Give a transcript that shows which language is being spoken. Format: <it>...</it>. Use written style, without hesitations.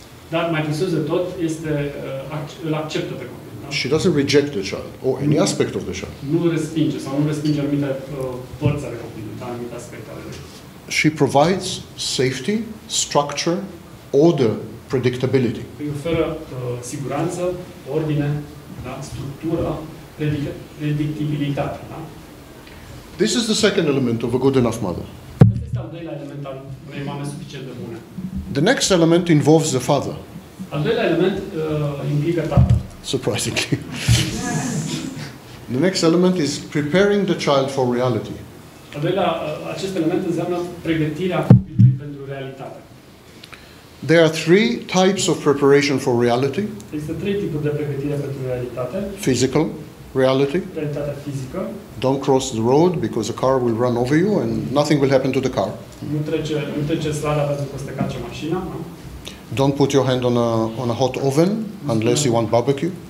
<ro>Dar mai presus de tot, este îl acceptă pe copil. Da?</ro> <en>She doesn't reject the child, or any aspect of the child.</en> <ro>Nu respinge, sau nu respinge anumite părți ale copilului, da? Anumite aspecte ale lui.</ro> <en>She provides safety, structure, order, predictability.</en> <ro>Îi oferă siguranță, ordine, da? Structură, predictibilitate. Da?</ro> <en>This is the second element of a good enough mother.</en> <ro>Acesta este al doilea element al unei mame suficient de bune.</ro> <en>The next element involves the father.</en> <ro>Al doilea element implică tatăl.</ro> <en>Surprisingly. The next element is preparing the child for reality.</en> <ro>Al doilea, acest element înseamnă pregătirea copilului pentru realitate.</ro> <en>There are 3 types of preparation for reality.</en> <ro>Există 3 tipuri de pregătire pentru realitate.</ro> <en>Physical reality.</en> <ro>Realitatea fizică.</ro> <en>Don't cross the road because a car will run over you and nothing will happen to the car.</en> <ro>Nu trece strada pentru că o să te calce mașina, nu?</ro> <en>Don't put your hand on a hot oven unless you want barbecue.</en>